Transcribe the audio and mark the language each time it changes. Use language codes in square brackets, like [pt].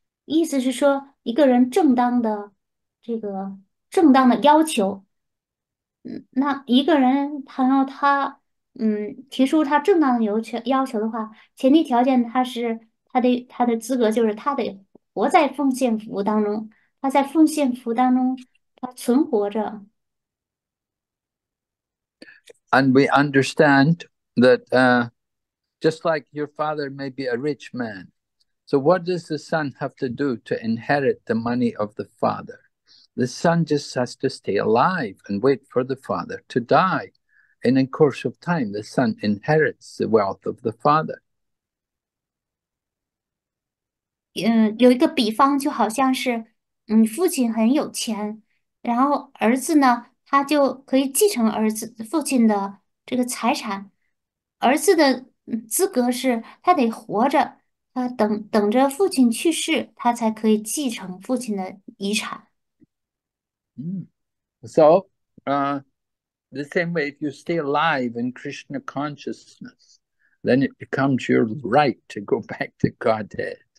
[zh] 意思是说，一个人正当的这个正当的要求，那一个人谈到他，提出他正当的要求的话，前提条件他是他的资格就是他得活在奉献服务当中，他在奉献服务当中他存活着。 [en] And we understand that just like your father may be a rich man, so what does the son have to do to inherit the money of the father? The son just has to stay alive and wait for the father to die. And in course of time, the son inherits the wealth of the father. [zh] 有一个比方，就好像是，父亲很有钱，然后儿子呢，他就可以继承父亲的这个财产。儿子的资格是他得活着，他等着父亲去世，他才可以继承父亲的遗产。 [en] So, the same way, if you stay alive in Krishna consciousness, then it becomes your right to go back to Godhead.